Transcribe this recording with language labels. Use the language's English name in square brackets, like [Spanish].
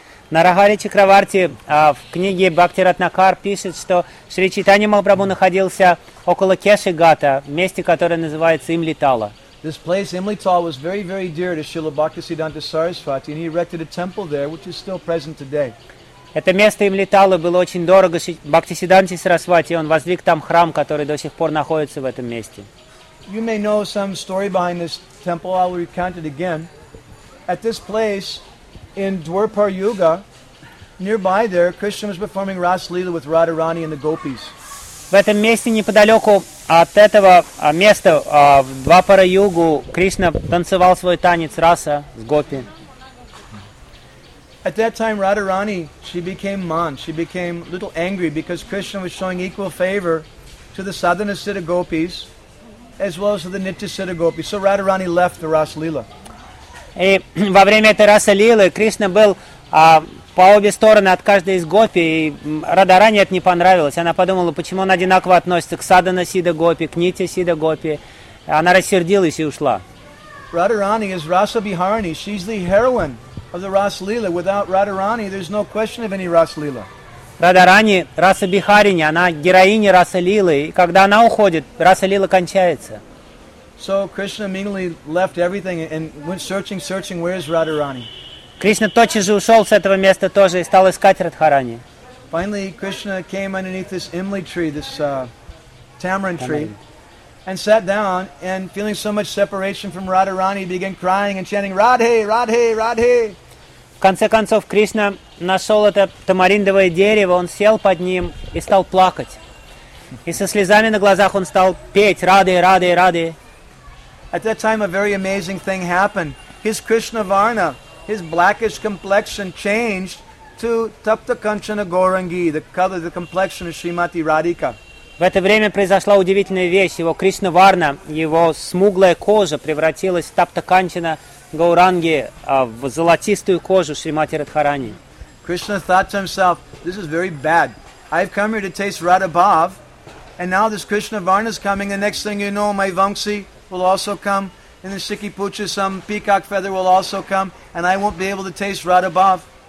[Russian] Narahari Chakravarti в книге Bhakti Ratnakar пишет, что Шри Чайтанья Махапрабху находился около Кешигата, месте, которое называется Имли Тала. [English] This place, Imli Tal, was very, very dear to Srila Bhaktisiddhanta Sarasvati, and he erected a temple there, which is still present today. [Russian] Это место Имли Тала было очень дорого Бхактисиддханте Сарасвати, и он воздвиг там храм, который до сих пор находится в этом месте. [English] You may know some story behind this temple. I will recount it again. At this place, in Dwarpar Yuga, nearby there, Krishna was performing Ras Lila with Radharani and the Gopis. [Russian] В этом месте неподалеку от этого места, в Двапара Югу, Кришна танцевал свой танец раса с гопи. [English] At that time, Radharani, she became mad. She became a little angry because Krishna was showing equal favor to the sadhana siddha gopis as well as to the nitya siddha gopis. So Radharani left the Ras Lila. [Russian] И во время этой Раса Лилы Кришна был по обе стороны от каждой из гопи, и Радарани это не понравилось. Она подумала, почему он одинаково относится к садана сида гопи, к нити сида гопи. Она рассердилась и ушла. [English] Radharani is Rasa Biharani. She's the heroine of the Ras Lila. Without Radharani, there's no question of any Ras Lila. [Russian] Радарани Раса Бихарини, она героиня Раса Лилы. И когда она уходит, Раса Лила кончается. [English] So Krishna immediately left everything and went searching, where is Radharani? [Russian] Кришна тотчас же ушел с этого места тоже и стал искать Радхарани. [English] Finally, Krishna came underneath this Imli tree, this tamarind tree, and sat down, and feeling so much separation from Radharani, began crying and chanting, Radhe, Radhe, Radhe. [Russian] В конце концов, Кришна нашел это тамариндовое дерево, он сел под ним и стал плакать. И со слезами на глазах он стал петь, Радхе, Радхе, Радхе. [English] At that time, a very amazing thing happened. His Krishna Varna, his blackish complexion changed to Tapta Kanchana Gaurangi, the color, the complexion of Srimati Radhika. [Russian] В это время произошла удивительная вещь. Его Кришна Варна, его смуглая кожа превратилась в Тапта Канчана Гауранги, в золотистую кожу Шримати Радхарани. [English] Krishna thought to himself, this is very bad. I've come here to taste Radha Bhav, and now this Krishna Varna is coming, the next thing you know, my Vamsi will also come. And the Shikhi Pucha, some peacock feather will also come, and I won't be able to taste Radha Bhav.